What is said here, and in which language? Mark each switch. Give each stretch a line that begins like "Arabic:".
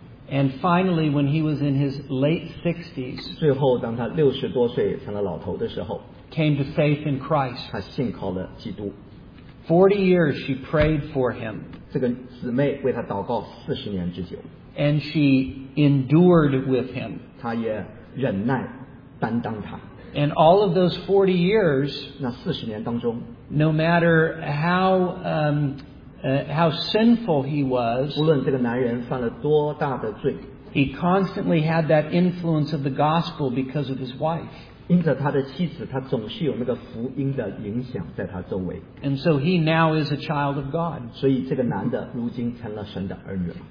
English: And finally, when he was in his late 60s,
Chinese: 最后当他六十多岁成了老头的时候，
English: came to faith in Christ.
Chinese: 他信靠了基督。
English: 40 years she prayed for him.
Chinese: 这个姊妹为他祷告四十年之久。
English: And she endured with him.
Chinese: 她也忍耐担当他。
English: And all of those 40 years,
Chinese: 那四十年当中,
English: no matter how sinful he was,
Chinese: 无论这个男人犯了多大的罪,
English: he constantly had that influence of the gospel because of his wife.
Chinese: 因着他的妻子，他总是有那个福音的影响在他周围。
English: And so he now is a child of God.
Chinese: 所以这个男的如今成了神的儿女了。